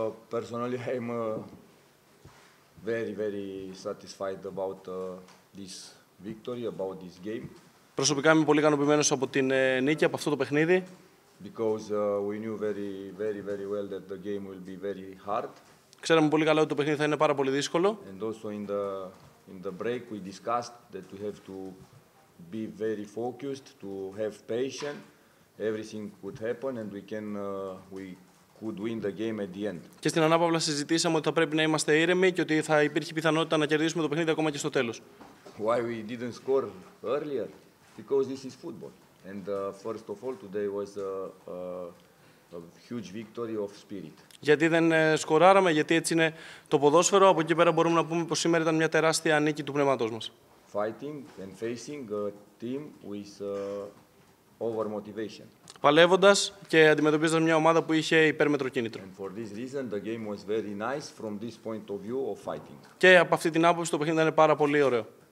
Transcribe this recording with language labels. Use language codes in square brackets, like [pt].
[en] personally, I'm very, very satisfied about this victory, about this game. [el] Προσωπικά είμαι πολύ ικανοποιημένος από την νίκη, από αυτό το παιχνίδι. [en] Because we knew very, very, very well that the game will be very hard. [el] Ξέραμε πολύ καλά ότι το παιχνίδι θα είναι πάρα πολύ δύσκολο. [en] And also in the break we discussed that we have to be very focused, to have patience. Everything could happen and we could win the game at the end. [el] Και στην ανάπαυλα συζητήσαμε ότι θα πρέπει να είμαστε ήρεμοι και ότι θα υπήρχε πιθανότητα να κερδίσουμε το παιχνίδι ακόμα και στο τέλος. [en] Why we didn't score earlier? Because this is football. And first of all, today was a huge victory of spirit. [el] Γιατί δεν σκοράραμε, γιατί έτσι είναι το ποδόσφαιρο. Από εκεί πέρα μπορούμε να πούμε πως σήμερα ήταν μια τεράστια νίκη του πνεύματός μας. [en] Fighting and facing a team with over motivation. [el] Παλεύοντας και αντιμετωπίζοντας μια ομάδα που είχε υπέρμετρο κίνητρο. [en] And for this reason, the game was very nice from this point of view of fighting. [el] Και από αυτή την άποψη το παιχνίδι ήταν πάρα πολύ ωραίο.